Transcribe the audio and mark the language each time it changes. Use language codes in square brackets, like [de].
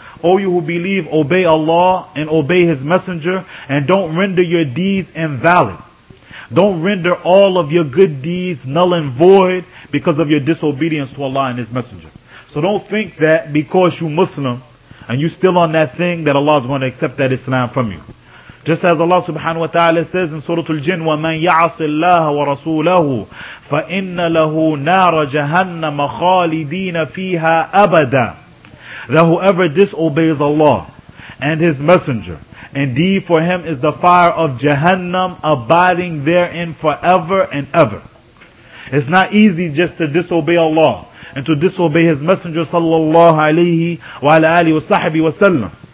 [en] O you who believe, obey Allah and obey His Messenger, and don't render your deeds invalid. Don't render all of your good deeds null and void because of your disobedience to Allah and His Messenger. So don't think that because you Muslim and you still on that thing that Allah is going to accept that Islam from you. Just as Allah subhanahu wa ta'ala says in Surah Al-Jin, [ar] وَمَنْ يَعَصِ اللَّهَ وَرَسُولَهُ فَإِنَّ لَهُ نَارَ جَهَنَّمَ خَالِدِينَ فِيهَا أَبَدًا. [en] That whoever disobeys Allah and His Messenger, indeed for him is the fire of Jahannam abiding therein forever and ever. It's not easy just to disobey Allah and to disobey His Messenger sallallahu alayhi wa alayhi wa sahbihi wa sallam.